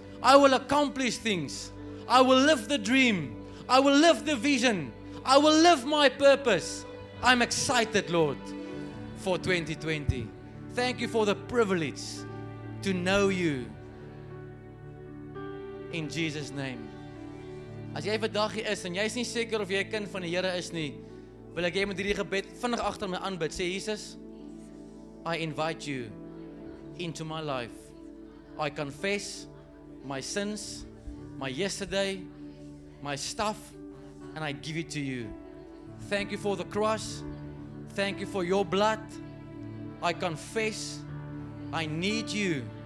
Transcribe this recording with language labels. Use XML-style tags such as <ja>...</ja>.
<en>I will accomplish things. I will live the dream. I will live the vision. I will live my purpose. I'm excited, Lord, for 2020. Thank you for the privilege to know you. In Jesus' name.</en> <af>As jy vandag hier is en jy is nie seker of jy 'n kind van die Here is nie, wil ek jy met hierdie gebed vinnig agter my aanbid.</af> <en>Sê, Jesus, I invite you into my life. I confess my sins, my yesterday, my stuff, and I give it to you. Thank you for the cross, Thank you for your blood. I confess I need you.</en>